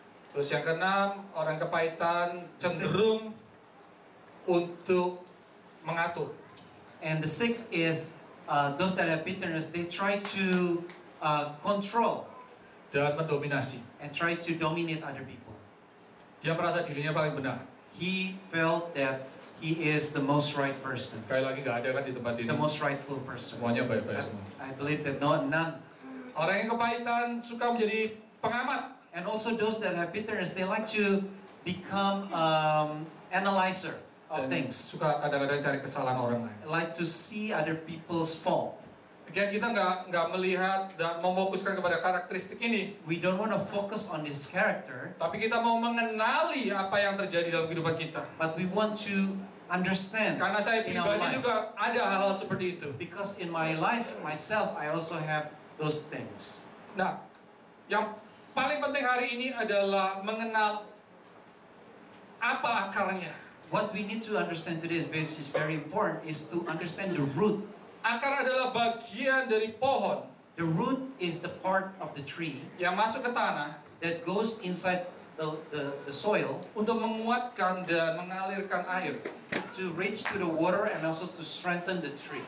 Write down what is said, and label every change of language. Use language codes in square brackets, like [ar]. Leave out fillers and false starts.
[id] Terus yang keenam, orang kepahitan cenderung untuk mengatur. [en] And the sixth is those that have bitterness, they try to control. [id] Dan mendominasi. [en] And try to dominate other people. [id] Dia merasa dirinya paling benar. [en] He felt that he is the most right person. [id] Kayak lagi enggak ada kan di tempat ini. [en] The most rightful person. [id] Semuanya baik-baik semua. [en] I believe that none. [id] Orang yang kepahitan suka menjadi pengamat. [en] And also those that have bitterness, they like to become analyzer of [id] dan [en] things. [id] Suka kadang-kadang cari kesalahan orang lain. [en] Like to see other people's fault. [id] Again, kita enggak melihat dan memfokuskan kepada karakteristik ini. [en] We don't want to focus on this character. [id] Tapi kita mau mengenali apa yang terjadi dalam kehidupan kita. [en] But we want to understand. [id] Karena saya pribadi juga ada hal-hal seperti itu. [en] Because in my life myself I also have those things. [id] Nah, yang paling penting hari ini adalah mengenal apa akarnya. [en] What we need to understand today's basis is very important is to understand the root. [id] Akar adalah bagian dari pohon. [en] The root is the part of the tree [id] yang masuk ke tanah [en] that goes inside the soil [id] untuk menguatkan dan mengalirkan air [en] to reach to the water and also to strengthen the tree